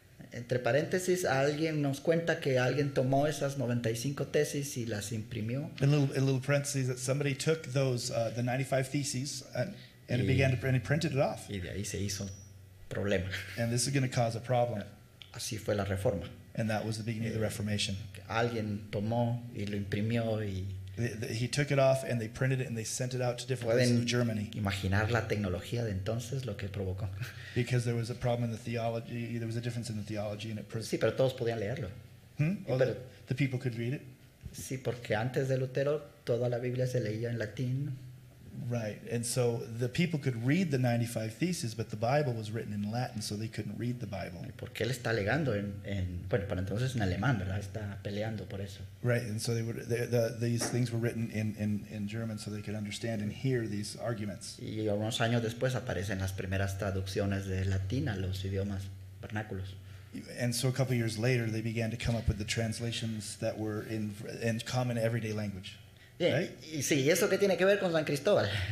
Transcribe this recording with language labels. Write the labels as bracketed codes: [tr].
[es] Entre paréntesis, alguien nos cuenta que alguien tomó esas 95 tesis y las imprimió. [en] In little parentheses, that somebody took the 95 theses and printed it off. [es] Y de ahí se hizo problema. [en] And this is going to cause a problem. [es] Así fue la reforma. [en] And that was the beginning of the Reformation. [es] Alguien tomó y lo imprimió y [en] he took it off and they printed it and they sent it out to different places of Germany. [es] Imaginar la tecnología de entonces, lo que provocó. [en] Because there was a problem in the theology, there was a difference in the theology and it [es] sí, pero todos podían leerlo. [en] The people could read it. [es] Sí, porque antes de Lutero toda la Biblia se leía en latín. [en] Right, and so the people could read the 95 theses, but the Bible was written in Latin, so they couldn't read the Bible. [es] Porque él está alegando para entonces en alemán, ¿verdad? Está peleando por eso. [en] Right, and so these things were written in German, so they could understand and hear these arguments. [es] Y unos años después aparecen las primeras traducciones de latín a los idiomas vernáculos. [en] And so a couple of years later, they began to come up with the translations that were in common everyday language. [es] Bien, [en] right? [es] Y sí, ¿y eso qué tiene que ver con San Cristóbal?